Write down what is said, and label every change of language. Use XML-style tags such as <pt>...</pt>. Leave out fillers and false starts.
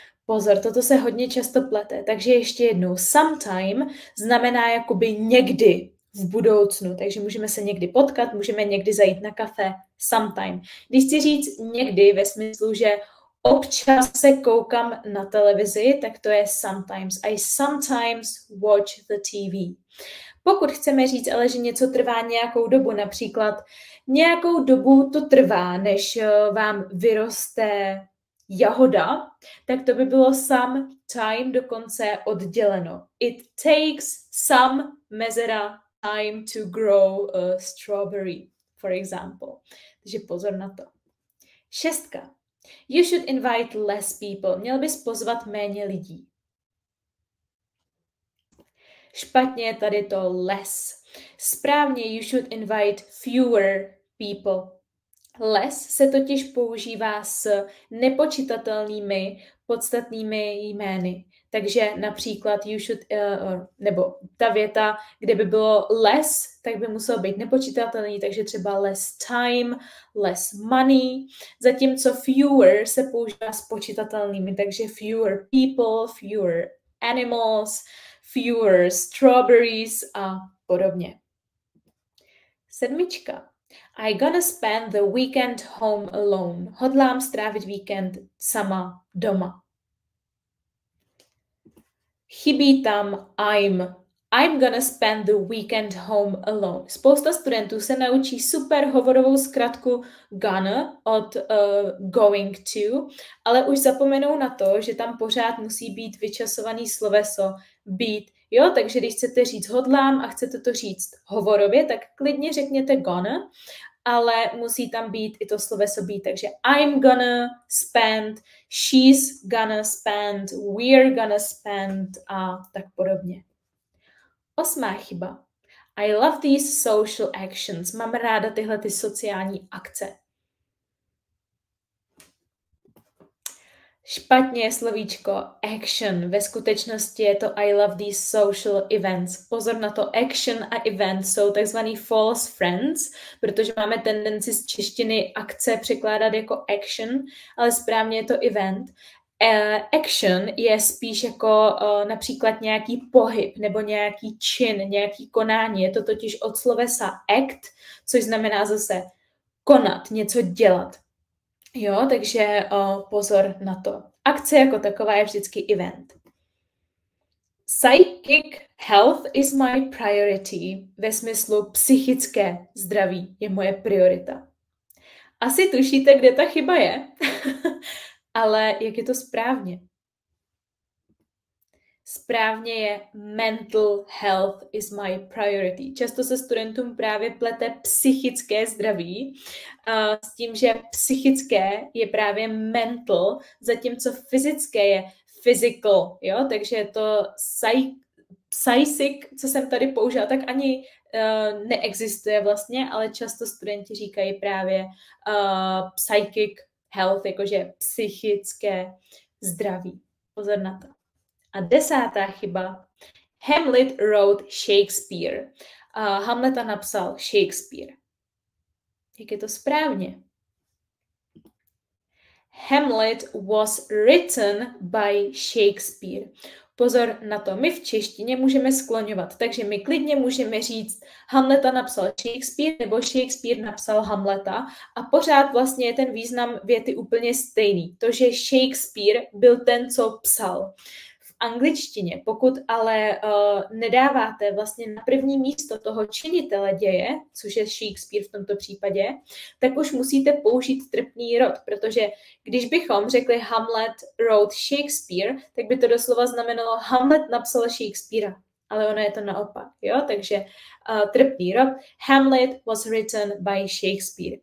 <cs>Pozor, toto se hodně často plete, takže ještě jednou. Sometime znamená jakoby někdy v budoucnu, takže můžeme se někdy potkat, můžeme někdy zajít na kafe, sometime. Když chci říct někdy ve smyslu, že občas se koukám na televizi, tak to je sometimes.</cs> <en>I sometimes watch the TV.</en> <cs>Pokud chceme říct ale, že něco trvá nějakou dobu, například nějakou dobu to trvá, než vám vyroste jahoda, tak to by bylo some time dokonce odděleno.</cs> <en>It takes some mezera time to grow a strawberry, for example.</en> <cs>Takže pozor na to. Šestka.</cs> <en>You should invite less people.</en> <cs>Měl bys pozvat méně lidí. Špatně je tady to less. Správně</cs> <en>you should invite fewer people.</en> <cs>Less se totiž používá s nepočitatelnými podstatnými jmény. Takže například you should, nebo ta věta, kde by bylo less, tak by muselo být nepočitatelný, takže třeba</cs> <en>less time, less money,</en> <cs>zatímco fewer se používá s počitatelnými, takže</cs> <en>fewer people, fewer animals, fewer strawberries</en> <cs>a podobně. Sedmička.</cs> <en>I gonna spend the weekend home alone.</en> <cs>Hodlám strávit víkend sama doma. Chybí tam</cs> <en>I'm. I'm gonna spend the weekend home alone.</en> <cs>Spousta studentů se naučí super hovorovou zkratku gonna od going to, ale už zapomenou na to, že tam pořád musí být vyčasovaný sloveso být. Jo, takže když chcete říct hodlám a chcete to říct hovorově, tak klidně řekněte gonna, ale musí tam být i to sloveso být. Takže</cs> <en>I'm gonna spend, she's gonna spend,</en> <cs>we're gonna spend a tak podobně. Osmá chyba.</cs> <en>I love these social actions.</en> <cs>Mám ráda tyhle ty sociální akce. Špatně je slovíčko action. Ve skutečnosti je to</cs> <en>I love these social events.</en> <cs>Pozor na to, action a event jsou takzvaný false friends, protože máme tendenci z češtiny akce překládat jako action, ale správně je to event. Action je spíš jako například nějaký pohyb nebo nějaký čin, nějaký konání. Je to totiž od slovesa act, což znamená zase konat, něco dělat. Jo, takže pozor na to. Akce jako taková je vždycky event.</cs> <en>Psychic health is my priority.</en> <cs>Ve smyslu psychické zdraví je moje priorita. Asi tušíte, kde ta chyba je. Ale jak je to správně? Správně je</cs> <en>mental health is my priority.</en> <cs>Často se studentům právě plete psychické zdraví s tím, že psychické je právě mental, zatímco fyzické je physical. Jo? Takže je to psychic, co jsem tady použila, tak ani neexistuje vlastně, ale často studenti říkají právě</cs> <en>psychic health,</en> <cs>jakože psychické zdraví. Pozor na to. A desátá chyba.</cs> <en>Hamlet wrote Shakespeare.</en> <cs>Hamleta napsal Shakespeare. Jak je to správně?</cs> <en>Hamlet was written by Shakespeare.</en> <cs>Pozor na to, my v češtině můžeme skloňovat, takže my klidně můžeme říct Hamleta napsal Shakespeare nebo Shakespeare napsal Hamleta a pořád vlastně je ten význam věty úplně stejný. To, že Shakespeare byl ten, co psal. angličtině. Pokud ale nedáváte vlastně na první místo toho činitele děje, což je Shakespeare v tomto případě, tak už musíte použít trpný rod, protože když bychom řekli</cs> <en>Hamlet wrote Shakespeare,</en> <cs>tak by to doslova znamenalo Hamlet napsal Shakespeara, ale ono je to naopak, jo? Takže trpný rod.</cs> <en>Hamlet was written by Shakespeare.</en>